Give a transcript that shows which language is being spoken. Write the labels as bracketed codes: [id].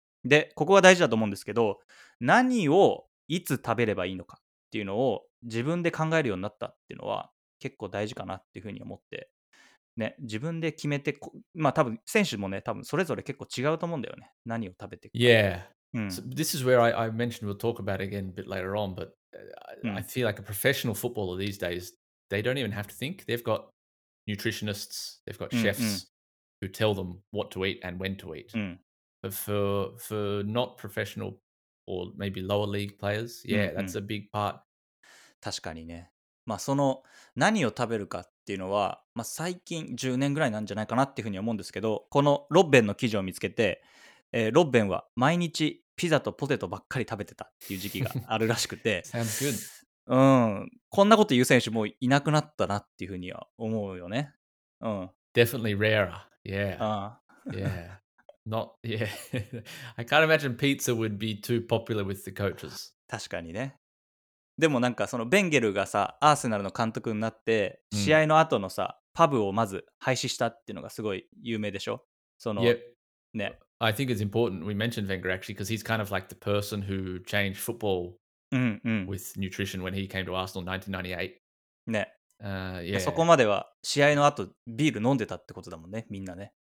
[ja] で、ここが大事だと思うんですけど、何をいつ食べればいいのかっていうのを自分で考えるようになったっていうのは結構大事かなっていう風に思って、ね、自分で決めて、まあ多分選手もね、多分それぞれ結構違うと思うんだよね、何を食べていくか。 [en] Yeah、So、this is where I mentioned we'll talk about again a bit later on, but I feel like a professional footballer these days, they don't even have to think. They've got nutritionists, they've got chefs who tell them what to eat and when to eat. But for not professional or maybe lower league players, that's a big part. [ja] 確かにね。まあ、その何を食べるかっていうのは、まあ、最近10年ぐらいなんじゃないかなっていうふうに思うんですけど、このロッベンの記事を見つけて、ロッベンは毎日ピザとポテトばっかり食べてたっていう時期があるらしくて、 [en] Sounds good. [ja] こんなこと言う選手もういなくなったなっていうふうには思うよね。 [en] Definitely rarer. I can't imagine pizza would be too popular with the coaches. [ja] 確かにね。でもなんかそのベンゲルがさ、アーセナルの監督になって試合の後のさ、パブをまず廃止したっていうのがすごい有名でしょ。その、 [en] I think it's important we mentioned Wenger actually because he's kind of like the person who changed football with nutrition when he came to Arsenal in 1998. [ja] そこまでは試合の後ビール飲んでたってことだもんね、みんなね。